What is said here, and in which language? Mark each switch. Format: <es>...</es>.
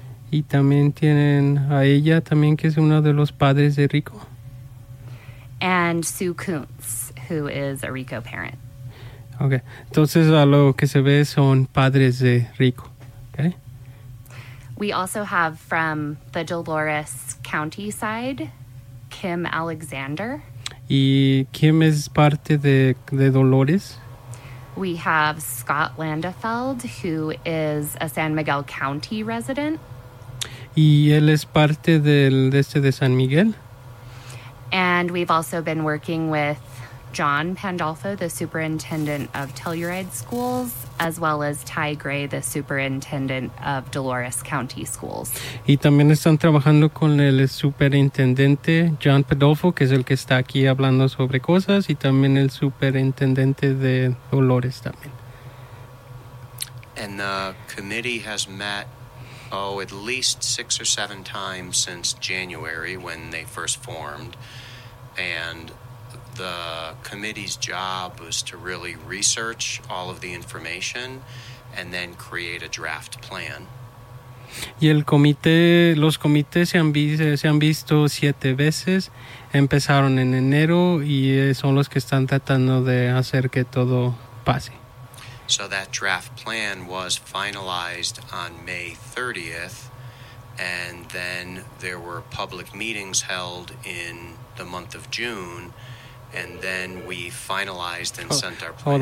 <es>Y también tienen a ella también, que es uno de los padres de Rico.</es> <en>And Sue Kuntz, who is a Rico parent. Okay.</en> <es>Entonces, a lo que se ve son padres de Rico.</es> <en>Okay. We also have from the Dolores County side, Kim Alexander.</en> <es>Y Kim es parte de Dolores.</es> <en>We have Scott Landefeld, who is a San Miguel County resident.</en> <es>Y él es parte del de San Miguel.</es> <en>And we've also been working with John Pandolfo, the superintendent of Telluride Schools, as well as Ty Gray, the superintendent of Dolores County Schools.</en> <es>Y también están trabajando con el superintendente John Pandolfo, que es el que está aquí hablando sobre cosas, y también el superintendente de Dolores también.</es> <en>And the committee has met, oh, at least 6 or 7 times since January when they first formed. And the committee's job was to really research all of the information and then create a draft plan.</en> <es>Y el comité, los comités se han visto 7 veces. Empezaron en enero y son los que están tratando de hacer que todo pase.</es> <en>So that draft plan was finalized on May 30th, and then there were public meetings held in the month of June, and then we finalized and sent our plan.</en>